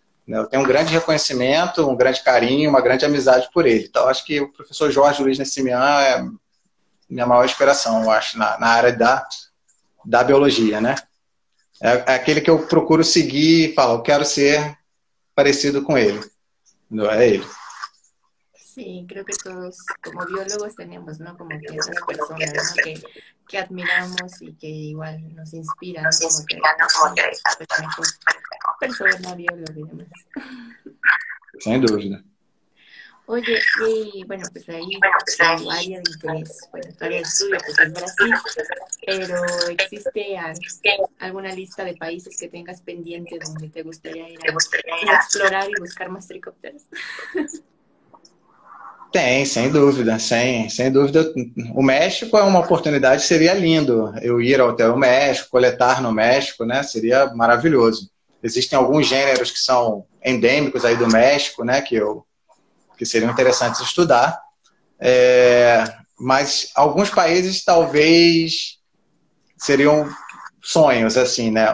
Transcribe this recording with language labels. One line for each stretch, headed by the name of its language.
Portuguese: Eu tenho um grande reconhecimento, um grande carinho, uma grande amizade por ele. Então, acho que o professor Jorge Luiz Nessimian é minha maior inspiração, eu acho, na área da biologia, né? É aquele que eu procuro seguir e falo, eu quero ser parecido com ele. Não é ele.
Spanish: Sí, creo que todos como biólogos tenemos, ¿no? Como que esas personas, ¿no? Que admiramos y que igual nos inspiran, ¿no? Como que pues, mejor persona, biólogo y demás.
Portuguese: Sem dúvida.
Spanish: Oye, y bueno, pues ahí tu área de interés, bueno, tu área de estudio, pues es Brasil, pero ¿existe alguna lista de países que tengas pendiente donde te gustaría ir a explorar y buscar más tricópteros?
Portuguese: Tem, sem dúvida, sem dúvida. O México é uma oportunidade, seria lindo eu ir até o México, coletar no México, né? Seria maravilhoso. Existem alguns gêneros que são endêmicos aí do México, né? Que seriam interessantes estudar. Mas alguns países talvez seriam sonhos, assim, né?